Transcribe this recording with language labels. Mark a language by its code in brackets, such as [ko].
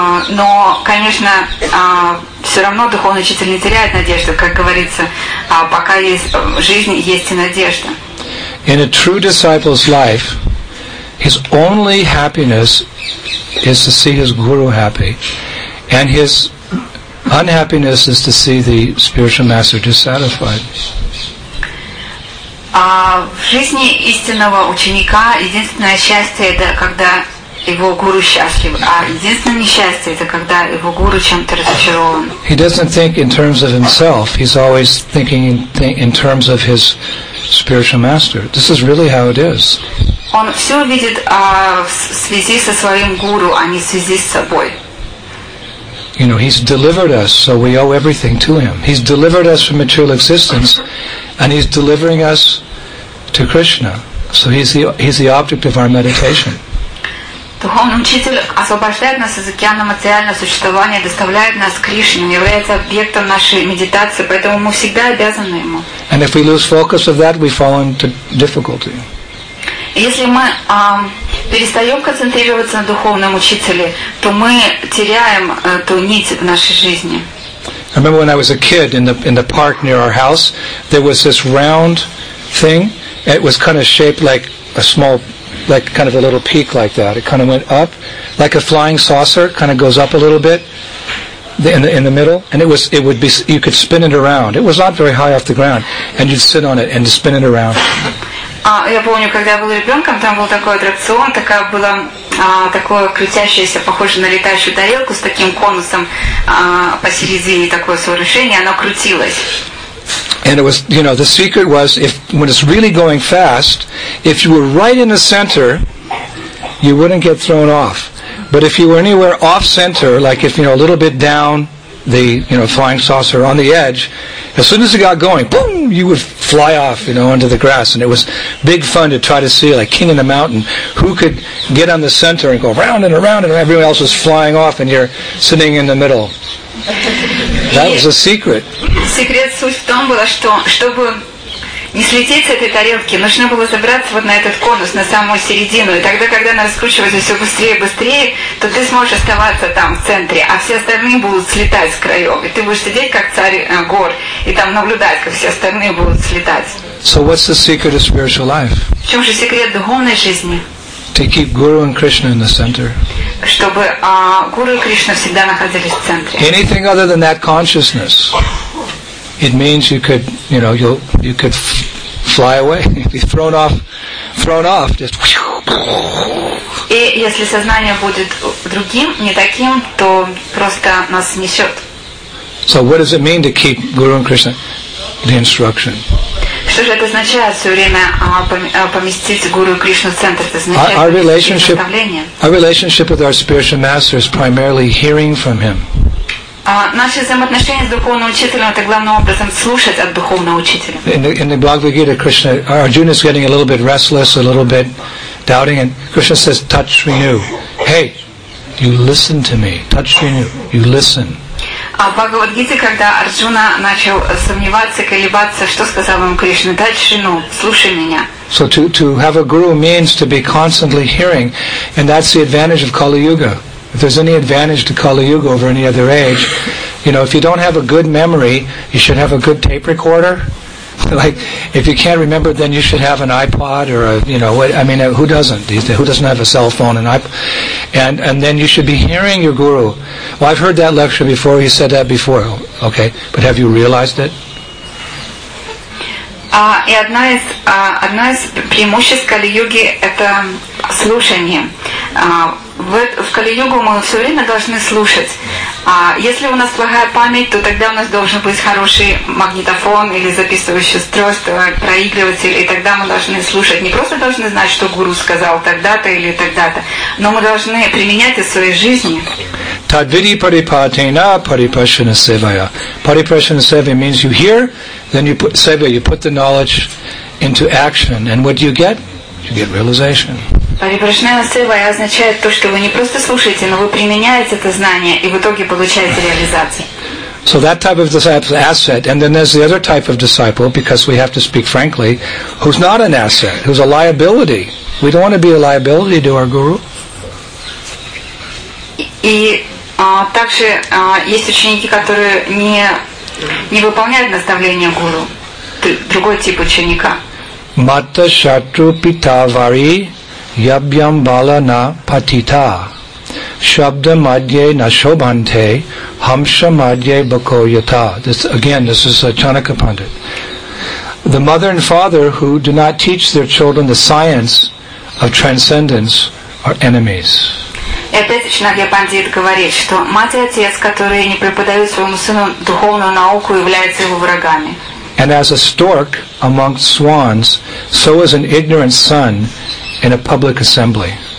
[ru] Но, конечно, все равно духовный учитель не теряет надежды, как говорится, пока есть жизнь, есть и надежда. [en] In a true disciple's life, his only happiness is to see his guru happy, and his unhappiness is to see the spiritual master dissatisfied. [ru] В жизни истинного ученика единственное счастье это когда его гуру счастлив, а единственное несчастье это когда его гуру чем-то разочарован. [en] He doesn't think in terms of himself. He's always thinking in terms of his spiritual master. This is really how it is. [ru] Он все видит в связи со своим гуру, а не в связи с собой. [en] You know, he's delivered us, so we owe everything to him. He's delivered us from material existence, and he's delivering us to Krishna. So he's the object of our meditation. [ru] Духовный учитель освобождает нас из океана материального существования, доставляет нас к Кришне, является объектом нашей медитации, поэтому мы всегда обязаны ему. [en] And if we lose focus of that, we fall into difficulty. [ru] Если мы перестаем концентрироваться на духовном учителе, то мы теряем ту нить в нашей жизни. [en] I remember when I was a kid in the park near our house, there was this round thing. It was kind of shaped like a small, like kind of a little peak like that. It kind of went up, like a flying saucer, kind of goes up a little bit in the middle. And it would be you could spin it around. It was not very high off the ground, and you'd sit on it and spin it around. [ru] Я помню, когда я был ребенком, там был такой аттракцион, такая была такое крутящееся, похоже на летающую тарелку с таким конусом посередине такое сооружение, оно крутилось. [en] And it was, you know, the secret was if when it's really going fast, if you were right in the center, you wouldn't get thrown off. But if you were anywhere off center, like if you know a little bit down the, you know, flying saucer on the edge, as soon as it got going, boom, you would fly off, you know, onto the grass. And it was big fun to try to see, like King of the Mountain, who could get on the center and go round and around, and everyone else was flying off, and you're sitting in the middle. That was a secret. [ru] Секрет суть в том была, что чтобы не слететь с этой тарелки, нужно было забраться вот на этот конус, на самую середину. И тогда, когда она раскручивается все быстрее и быстрее, то ты сможешь оставаться там, в центре, а все остальные будут слетать с краев. И ты будешь сидеть, как царь гор, и там наблюдать, как все остальные будут слетать. [en] So what's the secret of spiritual life? [ru] В чем же секрет духовной жизни? [en] To keep Guru and Krishna in the center. [ru] Чтобы Гуру и Кришна всегда находились в центре. [en] Anything other than that consciousness, it means you could, you know, you could fly away, be thrown off, just. [ru] И если сознание будет другим, не таким, то просто нас несет. [en] So what does it mean to keep Guru and Krishna? The instruction. [ru] Что же это означает все время поместить Гуру и Кришну в центр? Это означает наставление. [en] Our relationship with our spiritual master is primarily hearing from him. [ru] Наши взаимоотношения с духовным учителем это главным образом слушать от духовного учителя. [en] In the Bhagavad Gita, Krishna, Arjuna is getting a little bit restless, a little bit doubting, and Krishna says, "Touch Renu. Hey, you listen to me. Touch Renu. You listen." [ru] А в Бхагавад-гите, когда Арджуна начал сомневаться, колебаться, что сказал ему Кришна? Дай Шрину, слушай меня. [en] So to have a guru means to be constantly hearing, and that's the advantage of Kali Yuga. If there's any advantage to Kali Yuga over any other age, you know, if you don't have a good memory, you should have a good tape recorder. Like, if you can't remember, then you should have an iPod or a, you know, what, I mean, who doesn't? Who doesn't have a cell phone? And then you should be hearing your guru. Well, I've heard that lecture before. He said that before. Okay, but have you realized it? [ru] И одна из преимуществ Кали-юги – это слушание. В Кали-югу мы все время должны слушать. Если у нас плохая память, то тогда у нас должен быть хороший магнитофон или записывающее устройство, проигрыватель, и тогда мы должны слушать. Не просто должны знать, что гуру сказал тогда-то или тогда-то, но мы должны применять это в своей жизни. [sa] Tadviri paripatena paripashana sevaya. [en] Paripashana sevaya means you hear, then you put sevaya, you put the knowledge into action, and what do you get? You get realization. [ru] Парипрашная сева означает то, что вы не просто слушаете, но вы применяете это знание и в итоге получаете реализацию. [en] So that type of disciple is an asset, and then there's the other type of disciple, because we have to speak frankly, who's not an asset, who's a liability. We don't want to be a liability to our guru. [ru] И также есть ученики, которые не выполняют наставления гуру. Другой тип ученика. [sa] Mata shatru pita vari. Yabhyam bala na patita shabda madhye na shobhante hamsha madhye bako yata. [en] This is a Chanaka Pandit. The mother and father who do not teach their children the science of transcendence are enemies. [ru] И опять Чанакья Пандит говорит, что мать и отец, которые не преподают своему сыну духовную науку, являются его врагами. [en] And as a stork amongst swans, so is an ignorant son in a public assembly.